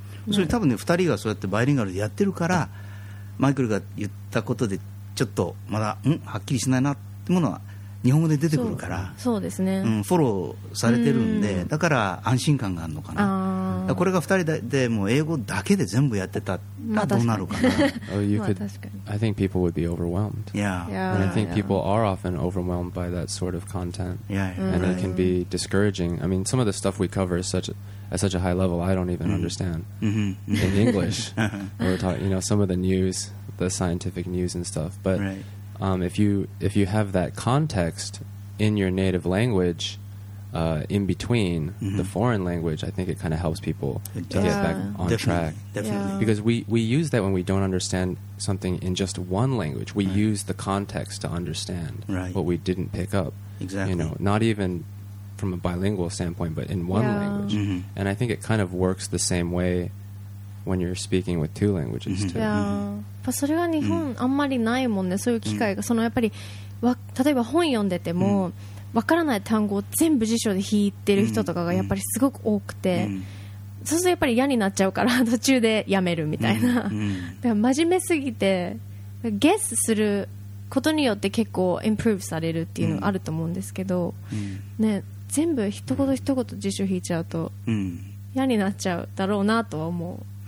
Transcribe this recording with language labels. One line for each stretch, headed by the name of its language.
Japanese: それ多分ね、2人がそうやってバイリンガルでやってるから、マイクルが言ったことでちょっとまだはっきりしないなってものは日本語で出てくるから、そうですね、フォローされてるんで、だから安心感があるのかな。あ、これが2人 でもう英語だけで全部やってたらどうなるかな。
English: Oh, you could, I think people would be overwhelmed. Yeah. And I think people are often overwhelmed by that sort of content. Yeah. And it can be discouraging. I mean, some of the stuff we cover is at such a high level, I don't even understand in English. We're talking, you know, some of the news, the scientific news and stuff. But right. If you have that context in your native language, in between the foreign language, I think it kind of helps people to get back on track. Definitely. Yeah. Because we use that when we don't understand something in just one language. We use the context to understand what we didn't pick up. Exactly. You know, not even from a bilingual standpoint, but in one language. Mm-hmm. And I think it kind of works the same way when you're speaking with two languages too. Yeah. Mm-hmm.
Japanese: それは日本あんまりないもんね。そういう機会が、そのやっぱり、例えば本読んでても、わからない単語を全部辞書で引いてる人とかがやっぱりすごく多くて、そうするとやっぱり嫌になっちゃうから途中でやめるみたいな。だから真面目すぎて、ゲスすることによって結構インプルーブされるっていうのがあると思うんですけど、ね、全部一言一言辞書引いちゃうと、嫌になっちゃうだろうなとは思う。